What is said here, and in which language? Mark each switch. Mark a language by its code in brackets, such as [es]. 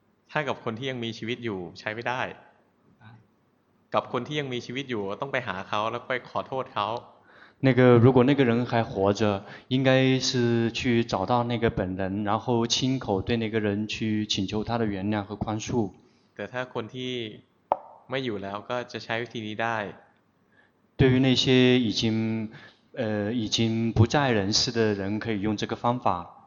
[th] ถ้ากับคนที่ยังมีชีวิตอยู่ใช้ไม่ได้กับคนที่ยังมีชีวิตอยู่ต้องไปหาเขาแล้วไปขอโทษเขา [zh] 那个如果那个人还活着应该是去找到那个本人然后亲口对那个人去请求他的原谅和宽恕 [th] แต่ถ้าคนที่ไม่อยู่แล้วก็จะใช้วิธีนี้ได้ [zh] 对于那些已经不在人世的人可以用这个方法